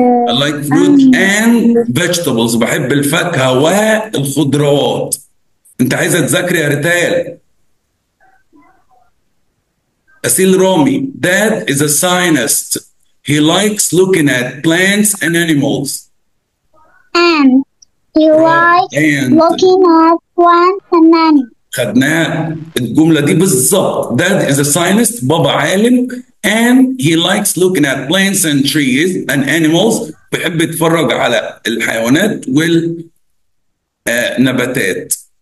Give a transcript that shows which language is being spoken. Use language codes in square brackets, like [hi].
[en] I like fruit and vegetables. [ar] بحب الفاكهة والخضروات. أنت عايزة تذاكر يا ريتال. [en] أسيل رامي، Dad is a scientist. He likes looking at plants and animals. And he likes looking at plants and animals. [ar] خدناها الجملة دي بالظبط. [en] Dad is a scientist، [ar] بابا عالم. [en] And he likes looking at plants and trees and animals، [ar] بيحب يتفرج على الحيوانات والنباتات.